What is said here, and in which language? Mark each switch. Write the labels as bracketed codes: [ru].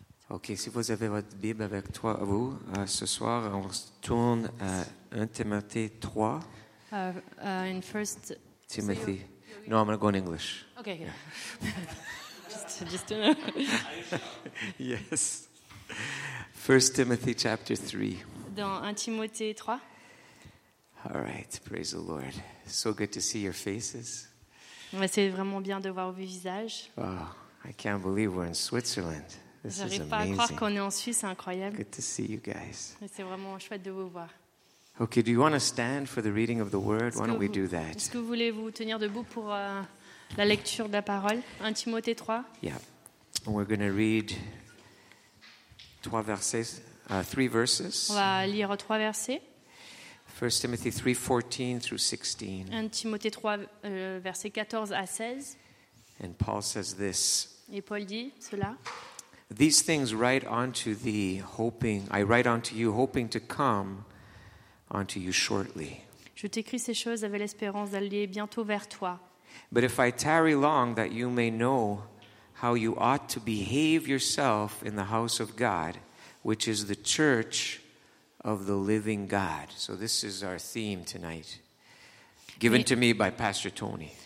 [fr] Ok, si vous avez votre Bible avec toi, vous, ce soir, on se tourne à 1 Timothée 3. [en] In first... Timothy. So no, I'm going to go in English. Ok. Yeah. just to know. Yes. 1 Timothy chapter 3. [fr] Dans 1 Timothée 3. [en] All right, praise the Lord. So good to see your faces. [fr] C'est vraiment bien de voir vos visages. [en] Oh, I can't believe we're in Switzerland. [fr] J'arrive pas à croire qu'on est en Suisse, c'est incroyable. [en] Good to see you guys. [fr] C'est vraiment chouette de vous voir. [en] Okay, do you want to stand for the reading of the word? Why don't we do that? [fr] Est-ce que vous voulez vous tenir debout pour la lecture de la parole, 1 Timothée 3? [en] Yeah. We're going to read three verses. [fr] On va lire trois versets. [en] 1 Timothy 3, 14 through 16. [fr] 1 Timothée 3, versets 14 à 16. [en] And Paul says this. [fr] Et Paul dit cela. [en] These things write unto thee, hoping I write unto you, hoping to come unto you shortly. [fr] Je t'écris ces choses avec l'espérance d'aller bientôt vers toi. [en] But if I tarry long, that you may know how you ought to behave yourself in the house of God, which is the church of the living God. So this is our theme tonight, given to me by Pastor Tony.